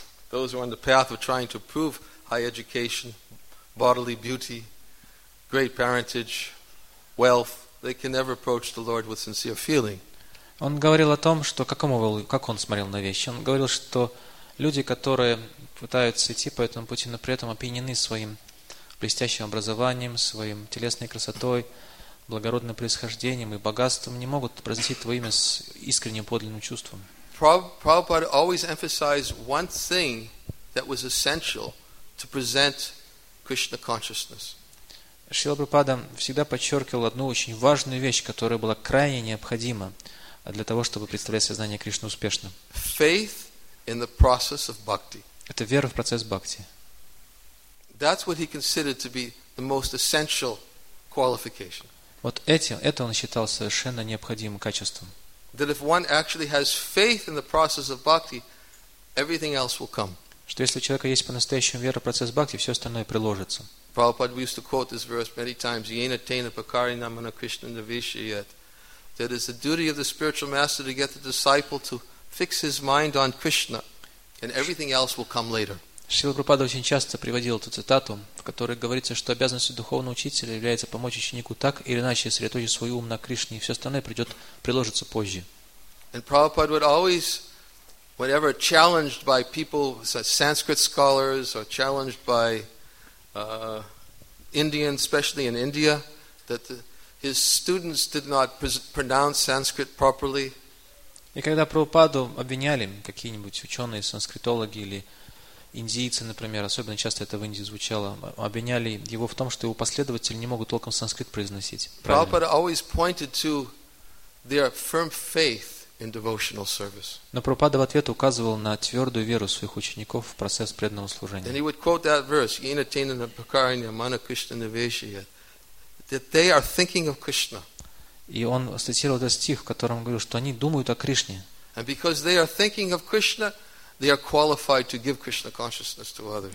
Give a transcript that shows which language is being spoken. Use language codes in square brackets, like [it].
[en] Those were on the path of trying to prove high education, bodily beauty, great parentage, wealth, they can never approach the Lord with sincere feeling. [ru] Он говорил о том, что как он смотрел на вещи. Он говорил, что люди, которые пытаются идти по этому пути, но при этом опьянены своим блестящим образованием, своим телесной красотой, благородным происхождением и богатством, не могут произнести твое имя с искренним подлинным чувством. [en] Prabhupada always emphasized one thing that was essential to present Krishna consciousness. [ru] Шрила Прабхупада всегда подчеркивал одну очень важную вещь, которая была крайне необходима для того, чтобы представлять сознание Кришны успешно. [en] Faith in the process of bhakti. [ru] Это вера в процесс бхакти. [en] That's what he considered to be the most essential qualification. [ru] Вот это он считал совершенно необходимым качеством. [en] That if one actually has faith in the process of bhakti, everything else will come. [ru] Что если у человека есть по-настоящему вера в процесс бхакти, все остальное приложится. [en] Prabhupada, we used to quote this verse many times, [sa] Yena Tena Pakari Namana Krishna Navishi Yet. [en] That is the duty of the spiritual master to get the disciple to fix his mind on Krishna, and everything else will come later. [ru] Шрила Прабхупада очень часто приводил эту цитату, в которой говорится, что обязанностью духовного учителя является помочь ученику так или иначе сосредоточить свой ум на Кришне, и все остальное придет, приложится позже. [en] And Prabhupada would always, whenever challenged by people, such Sanskrit scholars, or challenged by Indian, especially in India, that his students did not pronounce Sanskrit properly. [ru] И когда Прабхупаду обвиняли какие-нибудь ученые, санскритологи или индийцы, например, особенно часто это в Индии звучало, обвиняли его в том, что его последователи не могут толком санскрит произносить. [en] Prabhupada always pointed to their firm faith in devotional service. [ru] Но Прабхупада в ответ указывал на твердую веру своих учеников в процесс преданного служения. [en] And he would quote that verse, [sa] Yena Tena Pakarinya Mana Krishna Navishya, [en] that they are thinking of Krishna. [ru] И он цитировал этот стих, в котором говорил, что они думают о Кришне. [en] And because they are thinking of Krishna, they are qualified to give Krishna consciousness to others.